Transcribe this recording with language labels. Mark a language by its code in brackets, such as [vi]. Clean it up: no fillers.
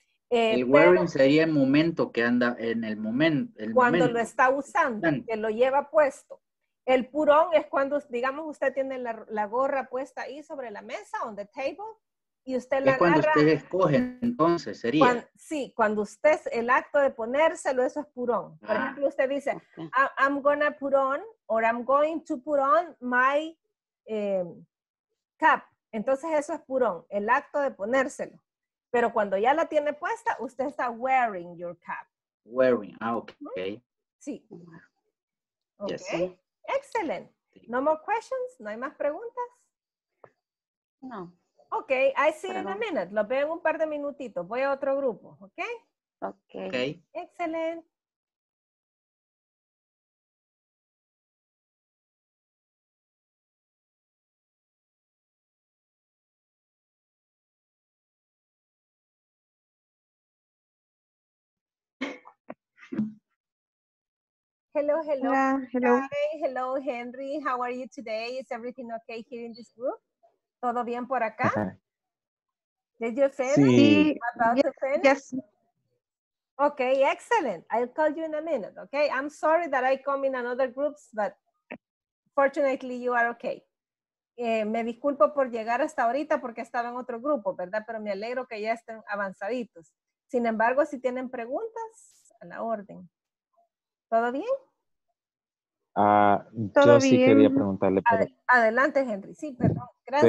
[es] El wearing sería el momento que anda en el momento. Cuando lo está usando, que lo lleva puesto. El purón es cuando, digamos, usted tiene la gorra puesta ahí sobre la mesa, [en] on the table, [es] y usted la agarra. Cuando usted escoge, entonces, sería. Cuando usted, el acto de ponérselo, eso es purón. Por ejemplo, usted dice, [en] I'm gonna put on, or I'm going to put on my cap. [es] Entonces, eso es purón, el acto de ponérselo. Pero cuando ya la tiene puesta, usted está [en] wearing your cap. Wearing, ah, okay. Sí. Okay. Yes. Excellent. No more questions? [es] ¿No hay más preguntas? [en] No. Ok, I see you in a minute. [es] Lo veo en un par de minutitos. Voy a otro grupo, ¿ok? [en] Ok. Okay. Excellent. Hello, hello. Hello. Hi, hello, Henry. How are you today? Is everything okay here in this group? [es] ¿Todo bien por acá? [en] Did you finish? [es] Sí. [en] About to finish? Yes. Okay, excellent. I'll call you in a minute, okay? I'm sorry that I come in another groups, but fortunately you are okay. [es] Me disculpo por llegar hasta ahorita porque estaba en otro grupo, ¿verdad? Pero me alegro que ya estén avanzaditos. Sin embargo, si tienen preguntas, a la orden. ¿Todo bien? Yo sí quería preguntarle. Adelante, Henry. Sí, perdón. Gracias.